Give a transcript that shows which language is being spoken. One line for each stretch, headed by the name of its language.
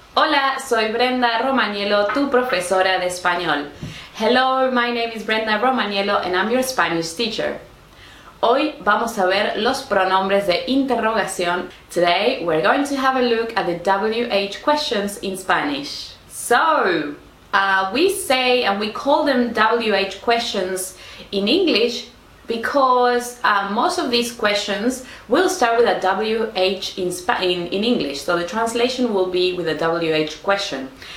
Spanish: Hola, soy Brenda Romagnello, tu profesora de español.
English: Hello, my name is Brenda Romagnello and I'm your Spanish teacher.
Spanish: Hoy vamos a ver los pronombres de interrogación.
English: Today we're going to have a look at the WH questions in Spanish. So, we say and we call them WH questions in English because most of these questions will start with a WH in English, so the translation will be with a WH question.